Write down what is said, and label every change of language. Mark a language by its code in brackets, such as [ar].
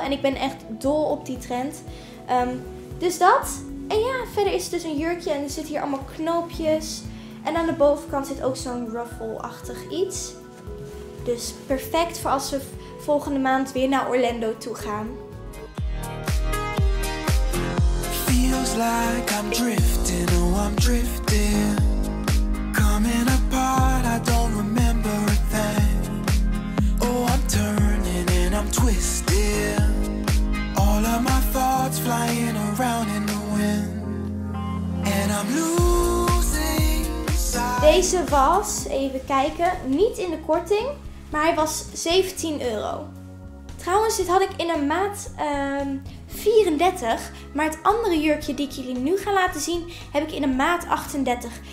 [nl] En ik ben echt dol op die trend. Dus dat. En ja, verder is het dus een jurkje. En er zitten hier allemaal knoopjes. En aan de bovenkant zit ook zo'n ruffle-achtig iets. Dus perfect voor als we volgende maand weer naar Orlando toe gaan. [en] Feels like I'm drifting, oh I'm drifting. Coming apart, I don't remember a thing. Oh, I'm turning and I'm twisting. All of my thoughts flying around in the wind. And I'm losing sight. [nl] Deze was, even kijken, niet in de korting, maar hij was 17 euro. Trouwens, dit had ik in een maat 34, maar het andere jurkje die ik jullie nu ga laten zien, heb ik in een maat 38.